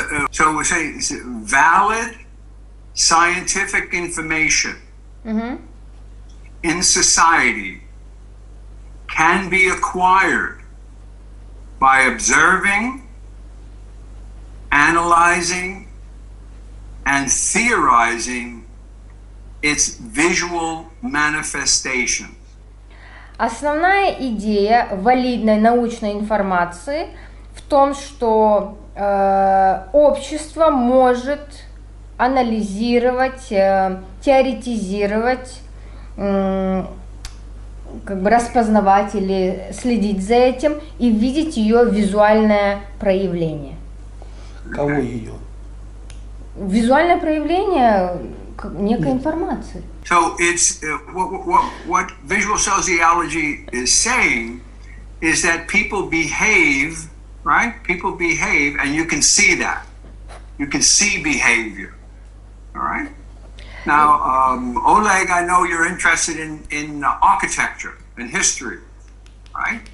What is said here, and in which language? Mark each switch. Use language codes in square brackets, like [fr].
[en] So we say it's valid scientific information in society can be acquired by observing, analyzing, and theorizing its visual manifestations. [ru] Основная идея валидной научной информации в том, что общество может анализировать, теоретизировать, как бы распознавать или следить за этим и видеть ее визуальное проявление. Кого ее? Визуальное проявление некой информации. [en] So it's what visual sociology is saying is that people behave, right? People behave, and you can see that. You can see behavior. All right. Now, Oleg, I know you're interested in architecture and history, right?